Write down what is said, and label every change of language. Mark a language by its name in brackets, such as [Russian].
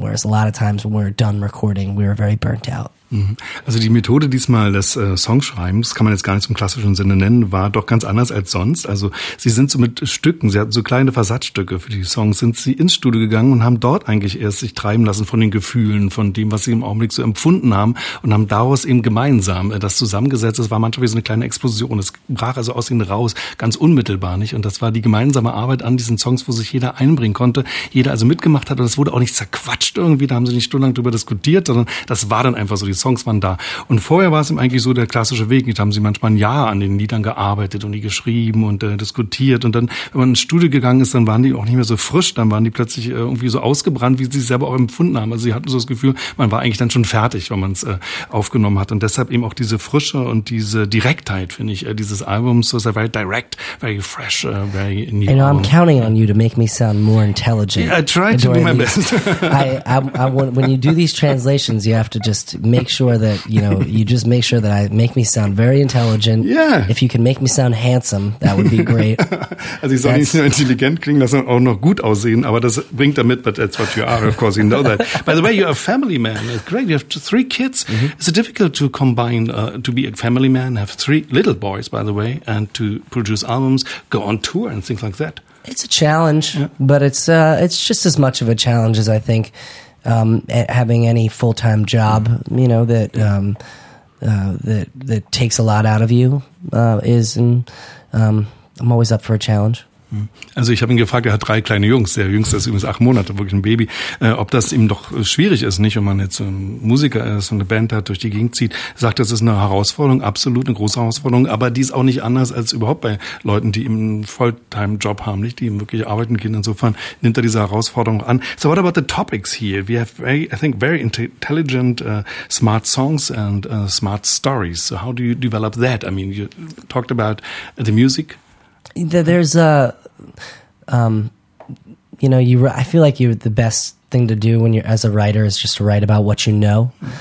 [English] Whereas a lot of times when we're done recording, we were very burnt out. [German] Also die Methode diesmal des Songschreibens, kann man jetzt gar nicht im klassischen Sinne nennen, war doch ganz anders als sonst. Also sie sind so mit Stücken, sie hatten so kleine Versatzstücke für die Songs, sind sie ins Studio gegangen und haben dort eigentlich erst sich treiben lassen von den Gefühlen, von dem, was sie im Augenblick so empfunden haben und haben daraus eben gemeinsam das zusammengesetzt. Es war manchmal wie so eine kleine Explosion, es brach also aus ihnen raus, ganz unmittelbar nicht. Und das war die gemeinsame Arbeit an diesen Songs, wo sich jeder einbringen konnte, jeder also mitgemacht hat. Und es wurde auch nicht zerquatscht irgendwie, da haben sie nicht stundenlang drüber diskutiert, sondern das war dann einfach so, die Songs waren da. Und vorher war es ihm eigentlich so der klassische Weg. Da haben sie manchmal ein Jahr an den Liedern gearbeitet und die geschrieben und diskutiert. Und dann, wenn man ins Studio gegangen ist, dann waren die auch nicht mehr so frisch. Dann waren die plötzlich irgendwie so ausgebrannt, wie sie es selber auch empfunden haben. Also sie hatten so das Gefühl, man war eigentlich dann schon fertig, wenn man es aufgenommen hat. Und deshalb eben auch diese Frische und diese Direktheit, finde ich, dieses Albums. So ist [English] very direct, very fresh, very new. You know, I'm counting on you to make me sound more intelligent. Yeah, I try to do my best. When you do these translations, you have to just make sure that I make me sound very intelligent. Yeah. If you can make me sound handsome, that would be great. [German] Also ich soll nicht nur intelligent klingen, lassen auch noch gut aussehen, aber das bringt damit, [English] but that's what you are, of course, you know that. By the way, you're a family man. It's great. You have 3 kids. Mm-hmm. It's difficult to combine, to be a family man, have 3 little boys, by the way, and to produce albums, go on tour and things like that. It's a challenge, but it's just as much of a challenge as I think having any full-time job, that takes a lot out of you, I'm always up for a challenge. [German] Also ich habe ihn gefragt, er hat drei kleine Jungs, der Jüngste ist übrigens 8 Monate, wirklich ein Baby, ob das ihm doch schwierig ist, nicht, wenn man jetzt ein Musiker ist und eine Band hat, durch die Gegend zieht. Er sagt, das ist eine Herausforderung, absolut eine große Herausforderung, aber die ist auch nicht anders als überhaupt bei Leuten, die einen Volltime-Job haben, nicht, die eben wirklich arbeiten gehen. Insofern nimmt er diese Herausforderung an. [English] So what about the topics here? We have, very, I think, very intelligent, smart songs and smart stories. So how do you develop that? I mean, you talked about the music. There's a, you know, I feel like you're the best thing to do when you're as a writer is just to write about what you know.